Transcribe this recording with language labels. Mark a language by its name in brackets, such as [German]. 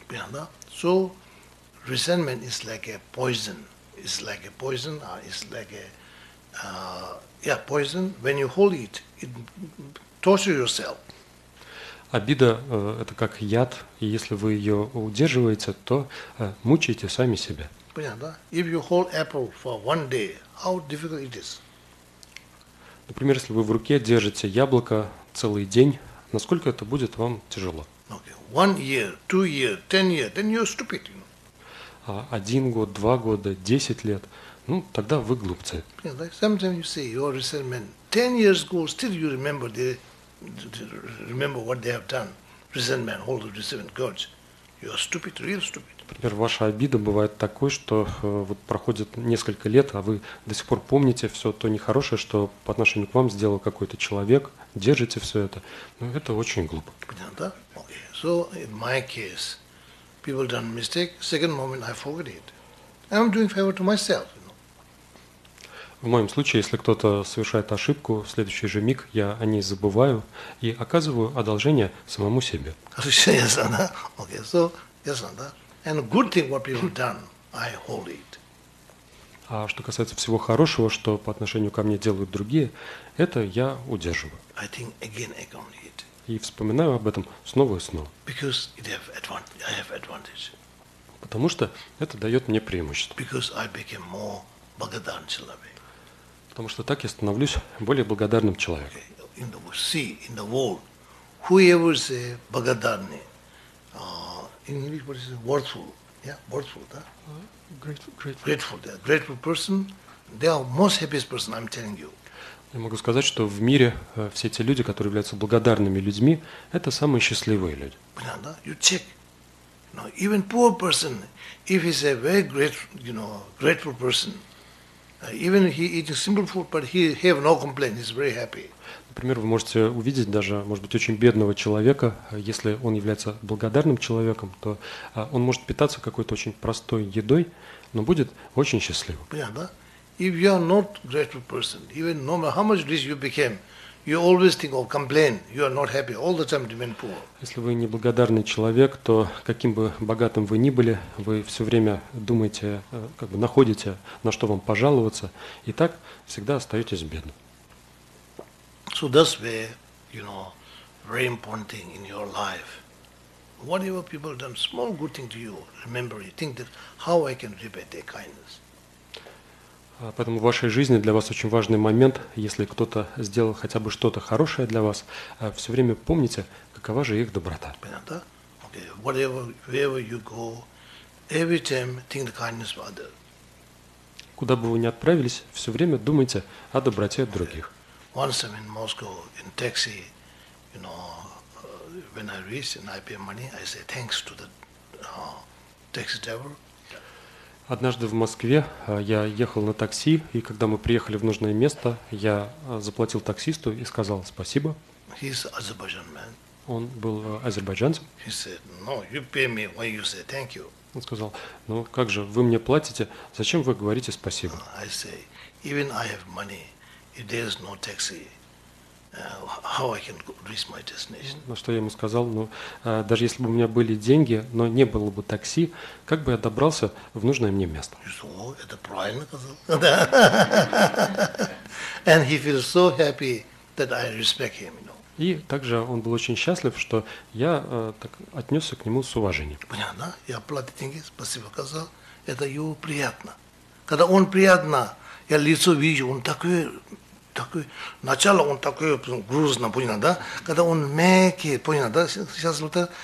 [Russian] Понял, да? [English] So, resentment is like a poison. It's like a poison, it's like a... poison. When you hold it, it tortures yourself. [Russian] Обида – это как яд, и если вы ее удерживаете, то мучаете сами себя. Понятно, да? [English] If you hold apple for one day, how difficult it is? [Russian] Например, если вы в руке держите яблоко целый день, насколько это будет вам тяжело? [English] Okay. 1 year, 2 years, 10 years, then you're stupid. You know? [Russian] 1 год, 2 года, 10 лет – ну, тогда вы глупцы. [English] Sometimes you say your resentment 10 years ago, still you remember the remember what they have done. Resentment, hold the resentment, God. You are stupid, real stupid. [Russian] Например, ваша обида бывает такой, что вот проходит несколько лет, а вы до сих пор помните все то нехорошее, что по отношению к вам сделал какой-то человек, держите все это. Ну, это очень глупо. Понятно, да? [English] Okay. So in my case, people done mistake, second moment I forget it. I'm doing favor to myself. [Russian] В моем случае, если кто-то совершает ошибку, в следующий же миг я о ней забываю и оказываю одолжение самому себе. А что касается всего хорошего, что по отношению ко мне делают другие, это я удерживаю. [English] I think again, again, it. [Russian] И вспоминаю об этом снова и снова. [English] Because it have advantage. I have advantage. [Russian] Потому что это дает мне преимущество. [English] Because I became more [Russian] благодарен человек. Потому что так я становлюсь более благодарным человеком. [English] In the sea, in the world, whoever is [Russian] благодарный, [English] in English, what is it? Worthful, yeah, worthful, да? Grateful. Grateful, yeah. Grateful person, they are most happiest person, I'm telling you. [Russian] Я могу сказать, что в мире все те люди, которые являются благодарными людьми, это самые счастливые люди. Понятно, да? [English] You check. No, even poor person, if he's a very grateful, you know, grateful person, even he eating simple food, but he have no complaint. He's very happy. [Russian] Например, вы можете увидеть даже, может быть, очень бедного человека, если он является благодарным человеком, то он может питаться какой-то очень простой едой, но будет очень счастлив. Понятно, да? [English] If you are not grateful person, even no matter how much rich you became, you always think of complain. You are not happy all the time. Remain poor. [Russian] Если вы неблагодарный человек, то каким бы богатым вы ни были, вы все время думаете, как бы находите, на что вам пожаловаться, и так всегда остаетесь бедным. [English] So that's where, you know, very important thing in your life. Whatever people done, small good thing to you, remember it. Think that how I can repay their kindness. [Russian] Поэтому в вашей жизни для вас очень важный момент, если кто-то сделал хотя бы что-то хорошее для вас, все время помните, какова же их доброта. Понятно, да? Okay. [English] Wherever you go, every time think the kindness of others. [Russian] Куда бы вы ни отправились, все время думайте о доброте других. [English] Okay. Once I'm in Moscow, in taxi, you know, when I reach and I pay money, I say thanks to the taxi driver. [Russian] Однажды в Москве я ехал на такси, и когда мы приехали в нужное место, я заплатил таксисту и сказал спасибо. [English] He's Azerbaijan man. [Russian] Он был азербайджанцем. [English] He said, no, you pay me when you say thank you. [Russian] Он сказал, ну как же, вы мне платите, зачем вы говорите спасибо? [English] I say, even I have money, if there is no taxi, how I can reach my destination? [Russian] На что я ему сказал, ну, даже если бы у меня были деньги, но не было бы такси, как бы я добрался в нужное мне место? О, это правильно сказал. [English] And he feels so happy that I respect him, you know. [Russian] И также он был очень счастлив, что я так отнесся к нему с уважением. Понятно, я платил деньги, спасибо сказал, это ему приятно. Когда он приятно, я лицо вижу, он такой, такой, начало он такой грузно понял, да, когда он мягкий понял, да, счастлив, да?